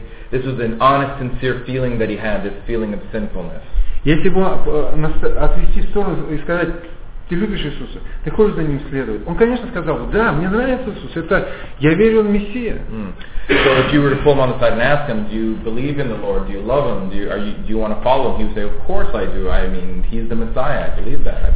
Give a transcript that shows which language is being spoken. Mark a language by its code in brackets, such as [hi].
[en] This was an honest, sincere feeling that he had, this feeling of sinfulness. [ru] Если бы отвести в сторону и сказать, Ты любишь Иисуса, ты хочешь за Ним следовать. Он, конечно, сказал, да, мне нравится Иисус, это, я верю, Он Мессия. [en] So if you were to pull him on the side and ask him, do you believe in the Lord, do you love him, do you want to follow him, he would say, of course I do, I mean, he's the Messiah, I believe that.